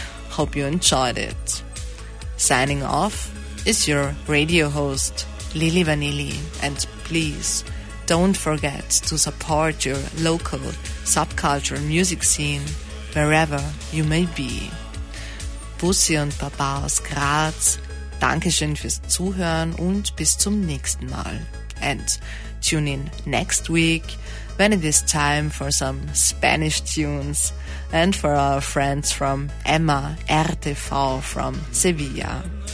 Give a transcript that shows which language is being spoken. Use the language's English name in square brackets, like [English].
[English] Hope you enjoyed it. Signing off is your radio host, Lili Vanilli, and please, don't forget to support your local subculture music scene wherever you may be. [German] Bussi und Baba aus Graz, Dankeschön fürs Zuhören und bis zum nächsten Mal. [English] And tune in next week when it is time for some Spanish tunes and for our friends from Emma RTV from Sevilla.